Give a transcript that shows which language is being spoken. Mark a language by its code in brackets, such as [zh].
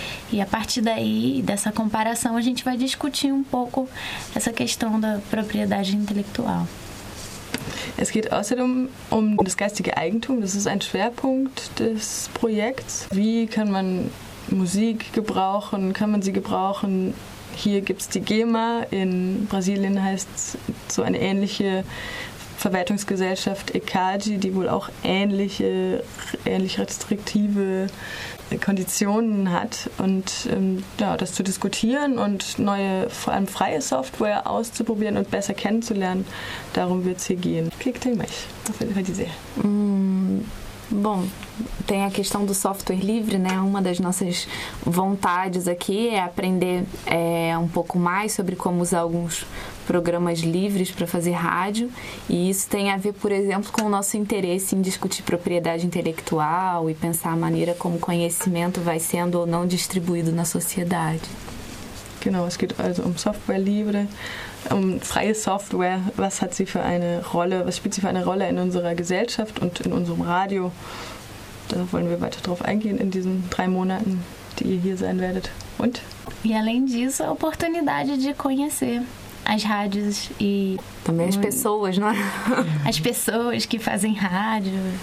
[pt] E a partir daí, dessa comparação, a gente vai discutir um pouco essa questão da propriedade intelectual. [de] Es geht außerdem um das geistige Eigentum. Das ist ein Schwerpunkt des Projekts. Wie kann man Musik gebrauchen? Kann man sie gebrauchen? Hier gibt es die GEMA. In Brasilien heißt so eine ähnliche Verwertungsgesellschaft EKG, die wohl auch ähnlich restriktive Konditionen hat. Und ja, das zu diskutieren und neue, vor allem freie Software auszuprobieren und besser kennenzulernen, darum wird es hier gehen. Klickt in mich. Auf jeden Fall dizer. [pt] Bom, tem a questão do software livre, né? Uma das nossas vontades aqui é aprender um pouco mais sobre como usar alguns programas livres para fazer rádio. E isso tem a ver, por exemplo, com o nosso interesse em discutir propriedade intelectual e pensar a maneira como o conhecimento vai sendo ou não distribuído na sociedade. [de] Genau, es geht also um Software Libre, um freie Software. Was hat sie für eine Rolle? Was spielt sie für eine Rolle in unserer Gesellschaft und in unserem Radio? Da wollen wir weiter drauf eingehen in diesen 3 Monaten, die ihr hier sein werdet. Und? [pt] E além disso, a oportunidade de conhecer as rádios e também as pessoas, né? As pessoas que fazem rádio.